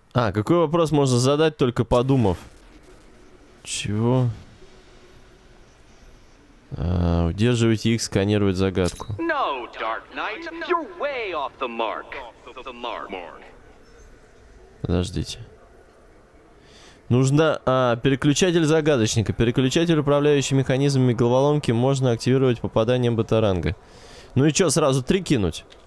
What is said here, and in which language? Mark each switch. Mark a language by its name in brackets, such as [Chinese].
[Russian] А, какой вопрос можно задать, только подумав? Чего? Удерживайте их, сканировать загадку. [English] No, Dark Knight, you're way off the mark. [Russian] Подождите. Нужно переключатель загадочника. Переключатель, управляющий механизмами головоломки, можно активировать попаданием батаранга. Ну и что, сразу три кинуть?